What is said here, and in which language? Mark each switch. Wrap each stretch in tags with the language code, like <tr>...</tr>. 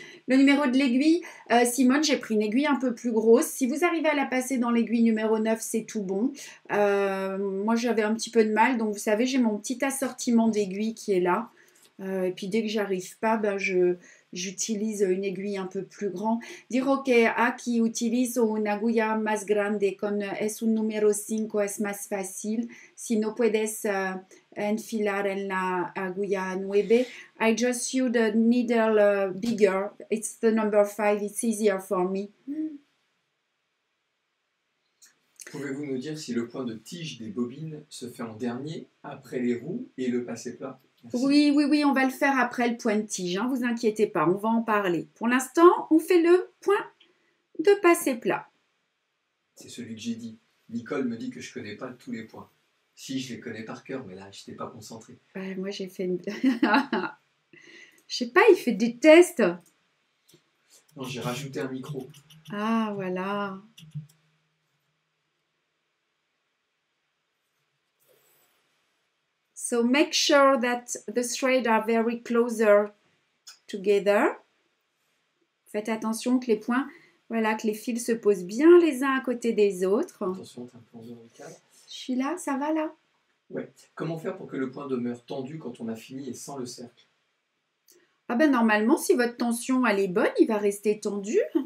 <fr>Le numéro de l'aiguille, Simone, j'ai pris une aiguille un peu plus grosse. Si vous arrivez à la passer dans l'aiguille numéro 9, c'est tout bon. Moi, j'avais un petit peu de mal. Donc, vous savez, j'ai mon petit assortiment d'aiguilles qui est là. Et puis, dès que j'arrive pas, ben, j'utilise une aiguille un peu plus grande.</fr> <es>Diro que aquí utilizo una aguja más grande con es un número 5, es más fácil. Si no puedes enfilar en la aguja 9,</es> <en>I just use the needle bigger. It's the number 5, it's easier for me.</en> <fr>Pouvez-vous nous dire si le point de tige des bobines se fait en dernier, après les roues et le passé plat? Merci. Oui, oui, oui, on va le faire après le point de tige, hein, vous inquiétez pas, on va en parler. Pour l'instant, on fait le point de passé plat. C'est celui que j'ai dit. Nicole me dit que je ne connais pas tous les points. Si, je les connais par cœur, mais là, je n'étais pas concentrée. Ouais, moi, j'ai fait une... Je sais pas, il fait des tests. Non, j'ai rajouté un micro. Ah, voilà.</fr> <en>So make sure that the threads are very closer together.</en> <fr>Faites attention que les points, voilà, que les fils se posent bien les uns à côté des autres. Attention, t'es un peu en dehors du cadre. Je suis là, ça va là. Ouais. Comment faire pour que le point demeure tendu quand on a fini et sans le cercle? Ah ben normalement, si votre tension elle est bonne, il va rester tendu.</fr>